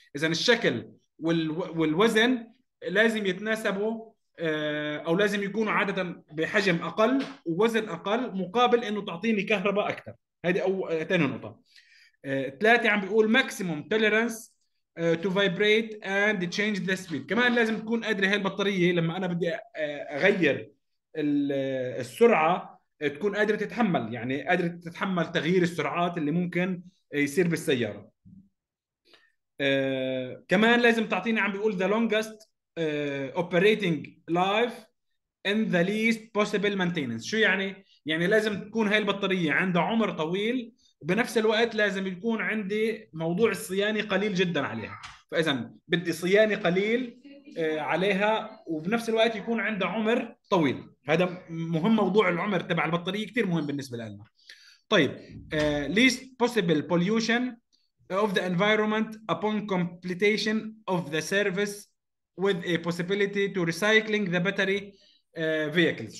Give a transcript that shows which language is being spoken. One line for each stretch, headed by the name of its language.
Arabic: اذا الشكل والوزن لازم يتناسبوا او لازم يكونوا عادة بحجم اقل ووزن اقل مقابل انه تعطيني كهرباء اكثر. هذه اول ثاني نقطة. ثلاثة، عم بيقول
English: maximum tolerance to vibrate and change the speed.
Arabic: كمان لازم تكون قادرة هاي البطارية لما أنا بدي أغير السرعة تكون قادرة تتحمل، يعني قادرة تتحمل تغيير السرعات اللي ممكن يصير بالسيارة. كمان لازم تعطيني، عم بيقول
English: the longest operating life in the least possible maintenance.
Arabic: شو يعني؟ يعني لازم تكون هاي البطارية عندها عمر طويل، وبنفس الوقت لازم يكون عندي موضوع الصيانة قليل جدا عليها. فإذا بدي صيانة قليل عليها، وبنفس الوقت يكون عندها عمر طويل. هذا مهم، موضوع العمر تبع البطارية كثير مهم بالنسبة لنا. طيب
English: least possible pollution of the environment upon completion of the service with a possibility to recycling the battery vehicles.